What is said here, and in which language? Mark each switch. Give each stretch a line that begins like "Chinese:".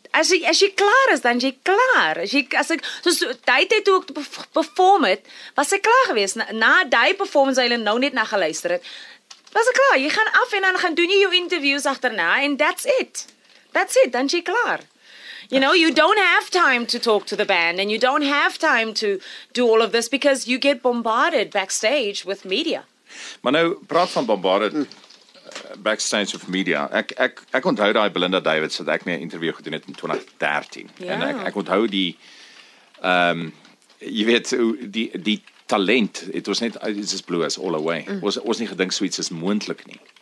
Afrikaans: As jy klaar is, dan jy klaar. Was ek klaar gewees. Na die performance, hy nou net na geluister het, was ek klaar. Jy gaan af en dan gaan doen jy jou interviews achterna en
English: that's it,
Afrikaans: dan jy klaar.
English: You know, you don't have time to talk to the band and you don't have time to do all of this because you get bombarded backstage with media.
Afrikaans: Maar nou, praat van
English: bombarded backstage
Afrikaans: of media. Ek onthou daai Belinda Davids wat ek mee 'n interview gedoen het in 2013.
English: Yeah.
Afrikaans: En ek onthou die jy weet die talent. It was net
English: it just blew us all away.
Afrikaans: Mm. Was nie gedink so iets is moontlik nie.